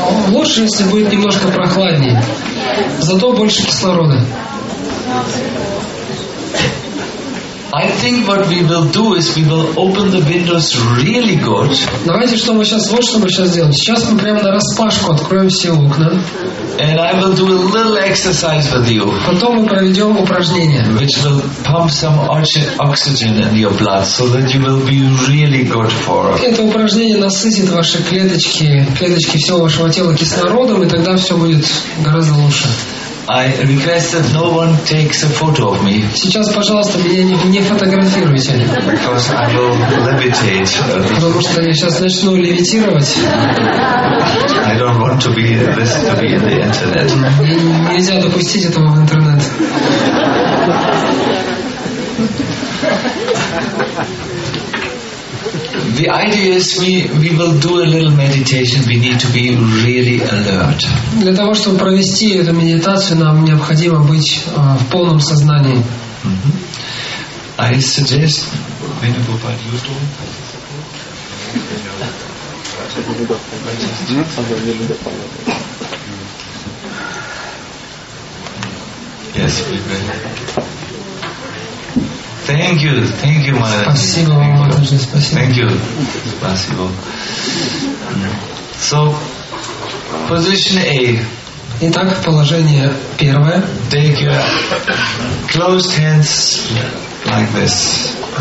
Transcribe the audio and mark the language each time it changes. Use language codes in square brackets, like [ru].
[ru] Лучше, если будет немножко прохладнее. Зато больше кислорода. [en] I think what we will do is we will open the windows really good. [ru] Давайте, что мы сейчас, вот что мы сейчас сделаем. Сейчас мы прямо на распашку откроем все окна. [en] And I will do a little exercise with you. [ru] Потом мы проведем упражнение. [en] Which will pump some oxygen in your blood, so that you will be really good for it. [ru] Это упражнение насытит ваши клеточки всего вашего тела кислородом, и тогда все будет гораздо лучше. [en] I request that no one takes a photo of me. [ru] Сейчас, пожалуйста, меня не фотографируйте. [en] Because I will levitate. [ru] Потому что я сейчас начну левитировать. [en] I don't want to be this to be in the internet. [ru] Нельзя допустить этого в интернет. [en] The idea is we will do a little meditation. We need to be really alert. [ru] Для того чтобы провести эту медитацию, нам необходимо быть в полном сознании. [en] I suggest Venerable Padre Yudo. Yes, Thank you, Mother. [ru] Спасибо вам, Матерь, спасибо. [en] Thank you, [ru] спасибо. [en] So, position A. [ru] Итак, положение первое. [en] Take your closed hands like this.